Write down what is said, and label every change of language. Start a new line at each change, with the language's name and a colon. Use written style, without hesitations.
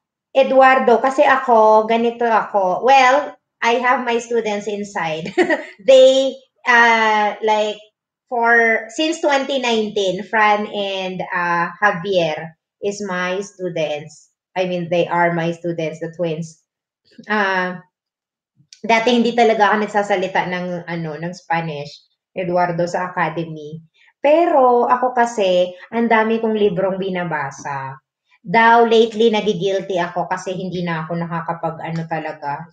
Filipino: Eduardo, kasi ako, ganito ako.
English: Well, I have my students inside. They, like, since 2019, Fran and Javier is my students. I mean, they are my students, the twins.
Filipino: Dati hindi talaga ako nagsasalita ng ano ng Spanish, Eduardo, sa academy. Pero ako kasi, ang dami kong librong binabasa. Daw lately nagigilty ako kasi hindi na ako nakakapag ano talaga.